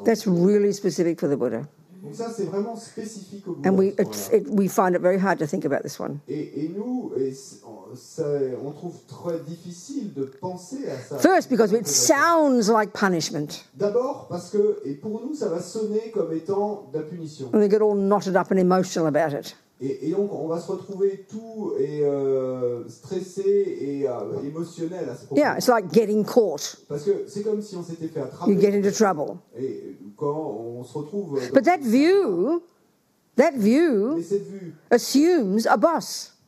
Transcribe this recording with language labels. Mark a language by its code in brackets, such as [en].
[en] That's really specific for the Buddha. [fr] Donc ça, c'est vraiment spécifique au Bouddha. [en] And we find it very hard to think about this one. [fr] Et on trouve très difficile de penser à ça. [en] First, because it sounds like punishment. [fr] D'abord, parce que, et pour nous, ça va sonner comme étant de la punition. [en] And we get all knotted up and emotional about it. [fr] Et donc, on va se retrouver tout stressé et émotionnel à ce propos. [en] Yeah, it's like getting caught. [fr] Parce que c'est comme si on s'était fait attraper. [en] You get into trouble. But that view assumes a boss.